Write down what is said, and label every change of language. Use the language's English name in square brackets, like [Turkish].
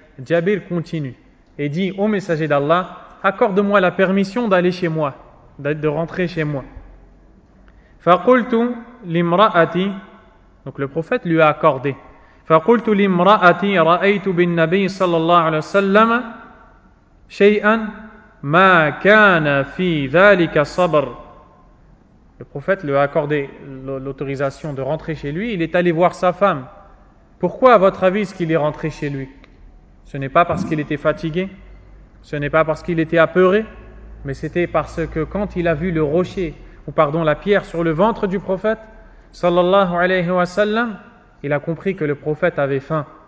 [French] Jabir continue et dit: ô messager d'Allah, accorde-moi la permission d'aller chez moi, de rentrer chez moi. [Arabic] فقلت لامرأتي, [French] donc le prophète lui a accordé. [Arabic] فقلت لامرأتي رأيت بالنبي صلى الله عليه وسلم شيئا ما كان في ذلك صبر. [French] Le prophète lui a accordé l'autorisation de rentrer chez lui. Il est allé voir sa femme. Pourquoi, à votre avis, est-ce qu'il est rentré chez lui? Ce n'est pas parce qu'il était fatigué, ce n'est pas parce qu'il était apeuré, mais c'était parce que quand il a vu le rocher, ou pardon, la pierre sur le ventre du prophète sallallahu alayhi wa sallam, il a compris que le prophète avait faim.